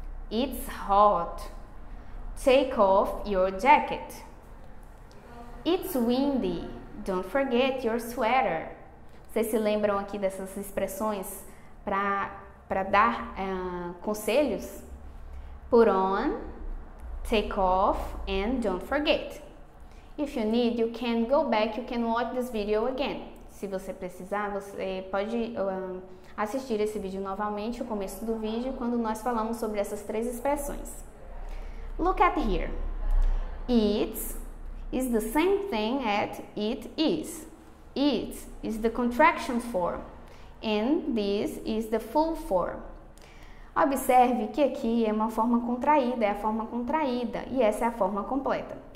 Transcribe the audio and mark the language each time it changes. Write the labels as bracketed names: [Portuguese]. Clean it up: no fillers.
[English] It's hot. Take off your jacket. It's windy. Don't forget your sweater. [Portuguese] Vocês se lembram aqui dessas expressões para dar conselhos? [English] Put on, take off, and don't forget. If you need, you can go back, you can watch this video again. [Portuguese] Se você precisar, você pode assistir esse vídeo novamente, o começo do vídeo, quando nós falamos sobre essas três expressões. [English] Look at here. It is the same thing as it is. It is the contraction form, and this is the full form. [Portuguese] Observe que aqui é uma forma contraída, é a forma contraída, e essa é a forma completa.